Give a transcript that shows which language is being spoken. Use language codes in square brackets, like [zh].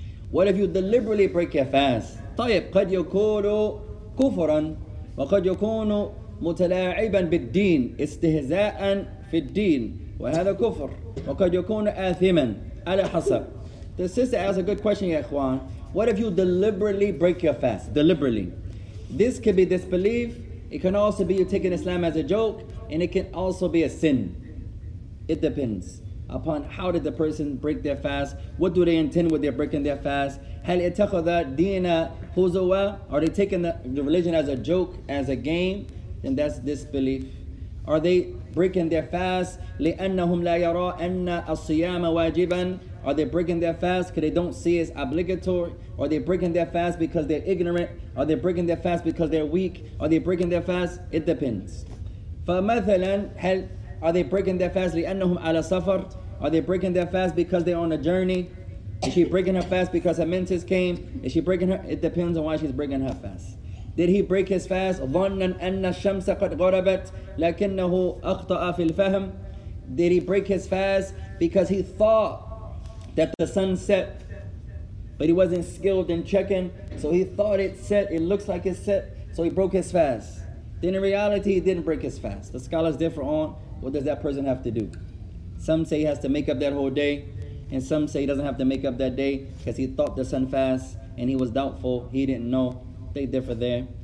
[en] What if you deliberately break your fast? [ar] طيب. قد يكون كفرا وقد يكون متلاعبا بالدين استهزاء في الدين وهذا كفر وقد يكون آثما على حسب. [en] The sister asked a good question, [ar] يا إخوان. [en] What if you deliberately break your fast? Deliberately. This could be disbelief. It can also be you taking Islam as a joke. And it can also be a sin. It depends upon how did the person break their fast. What do they intend with their breaking their fast? [ar] هل اتخذ دين هزوا? [en] Are they taking the religion as a joke, as a game? Then that's disbelief. Are they breaking their fast [ar] لأنهم لا يرى أن الصيام واجبا? [en] Are they breaking their fast because they don't see it's obligatory? Are they breaking their fast because they're ignorant? Are they breaking their fast because they're weak? Are they breaking their fast? It depends. [ar] فمثلا هل [en] are they breaking their fast [ar] لأنهم على سفر? [en] Are they breaking their fast because they're on a journey? Is she breaking her fast because her menses came? Is she breaking her? It depends on why she's breaking her fast. Did he break his fast? [ar] ظنًا أن الشمس قد غربت لكنه أخطأ في الفهم. [en] Did he break his fast because he thought that the sun set, but he wasn't skilled in checking, so he thought it set, it looks like it set, so he broke his fast. Then in reality, he didn't break his fast. The scholars differ on What does that person have to do? Some say he has to make up that whole day, and some say he doesn't have to make up that day because he thought the sun fast and he was doubtful. He didn't know. They differ there.